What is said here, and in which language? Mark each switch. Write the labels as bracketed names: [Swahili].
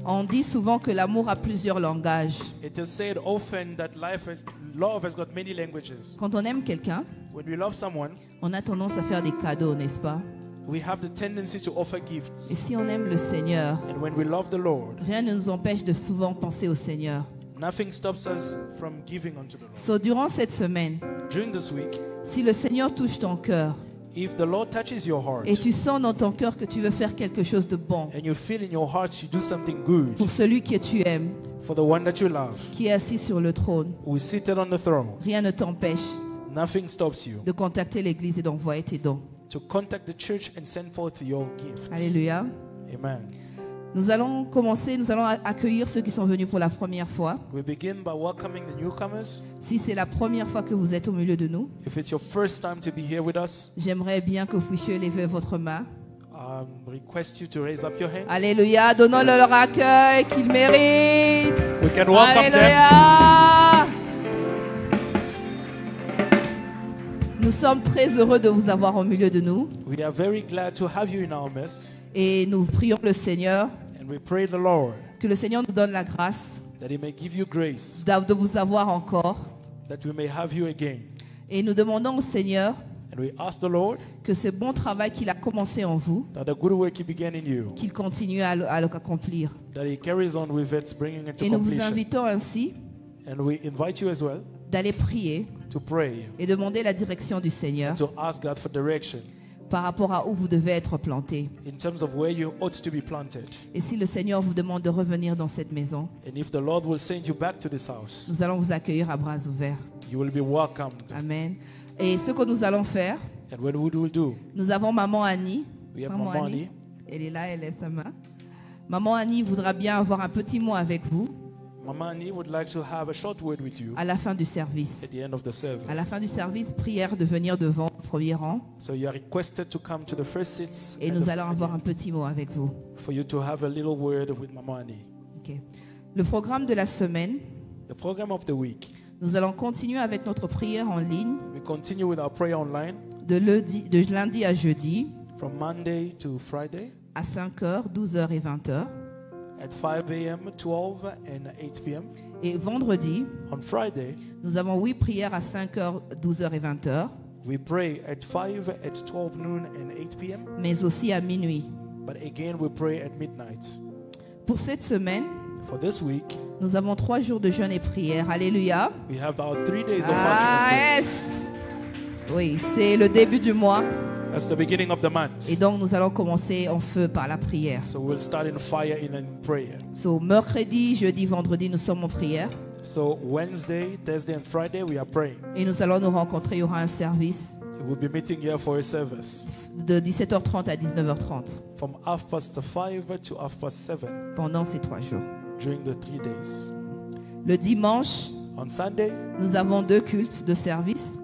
[French] on dit souvent que l'amour a plusieurs langages. [English] It is said often that love has got many languages. [French] Quand on aime quelqu'un, [English] when we love someone, [French] on a tendance à faire des cadeaux, n'est-ce pas? [English] We have the tendency to offer gifts. [French] Et si on aime le Seigneur, [English] and when we love the Lord, [French] rien ne nous empêche de souvent penser au Seigneur. [English] Nothing stops us from giving unto the Lord. So [French] durant cette semaine, [English] during this week, [French] si le Seigneur touche ton cœur, [English] if the Lord touches your heart, [French] et tu sens dans ton cœur que tu veux faire quelque chose de bon, [English] and you feel in your heart you do something good, [French] pour celui que tu aimes, [English] for the one that you love, [French] qui est assis sur le trône, [English] who is seated on the throne, [French] rien ne t'empêche, [English] nothing stops you, [French] de contacter l'église et d'envoyer tes dons, [English] to contact the church and send forth your gifts. Alléluia. Amen. [French] Nous allons commencer, nous allons accueillir ceux qui sont venus pour la première fois. [English] We begin by welcoming the newcomers. [French] Si c'est la première fois que vous êtes au milieu de nous, [English] if it's your first time to be here with us, [French] j'aimerais bien que vous puissiez lever votre main. [English] Request you to raise up your hand. [French] Alléluia, donnons-le leur accueil qu'ils méritent. [English] We can welcome them. Alléluia. [French] Nous sommes très heureux de vous avoir au milieu de nous. [English] We are very glad to have you in our midst. [French] Et nous prions le Seigneur, [English] and we pray the Lord, [French] que le Seigneur nous donne la grâce, [English] that he may give you grace, [French] de vous avoir encore, [English] that we may have you again. [French] Et nous demandons au Seigneur, [English] and we ask the Lord, [French] que ce bon travail qu'il a commencé en vous, [English] that the good work he began in you, [French] qu'il continue à l'accomplir. [English] That he carries on with it, bringing it to [French] et nous vous invitons ainsi, [English] and we invite you as well, [French] d'aller prier, [English] to pray, [French] et demander la direction du Seigneur, [English] and to ask God for direction, [French] par rapport à où vous devez être planté. [English] In terms of where you ought to be planted. [French] Et si le Seigneur vous demande de revenir dans cette maison, [English] and if the Lord will send you back to this house, [French] nous allons vous accueillir à bras ouverts. [English] You will be welcomed. [French] Amen. Et ce que nous allons faire, [English] and what we will do, [French] nous avons Maman Annie. [English] We have Maman Annie. [French] Elle est là, elle lève sa main. Maman Annie voudra bien avoir un petit mot avec vous. [English] Maman Annie would like to have a short word with you [French] à la fin du service. [English] At the end of the service. [French] À la fin du service, prière de venir devant au premier rang. [English] So you are requested to come to the first seats. [French] Et nous allons avoir un petit mot avec vous. [English] For you to have a little word with Maman Annie. [French] Okay. Le programme de la semaine. [English] The program of the week. [French] Nous allons continuer avec notre prière en ligne. [English] We continue with our prayer online. [French] De lundi à jeudi. [English] From Monday to Friday. [French] À 5h, 12h et 20h. [English] At 5 a.m., 12 and 8 p.m. [French] Et vendredi, [English] on Friday, [French] nous avons 8 prières à 5h, 12h et 20h. [English] We pray at 5, at 12 noon and 8 p.m. [French] Mais aussi à minuit. [English] But again, we pray at midnight. [French] Pour cette semaine, [English] For this week, [French] nous avons 3 jours de jeûne et prière. Alléluia. [English] We have our 3 days of fasting. Ah, yes. [French] Oui, c'est le début du mois. [English] That's the beginning of the month. [French] Et donc nous allons commencer en feu par la prière. [English] So we'll start in fire and in prayer. So [French] mercredi, jeudi, vendredi, nous sommes en prière. [English] So Wednesday, Thursday and Friday we are praying. [French] Et nous allons nous rencontrer, il y aura un service. [English] We'll be meeting here for a service. [French] De 17h30 à 19h30. [English] From half past 5 to half past 7. [French] Pendant ces 3 jours. [English] During the 3 days. [French] Le dimanche, [English] on Sunday, [French] nous avons 2 cultes de service.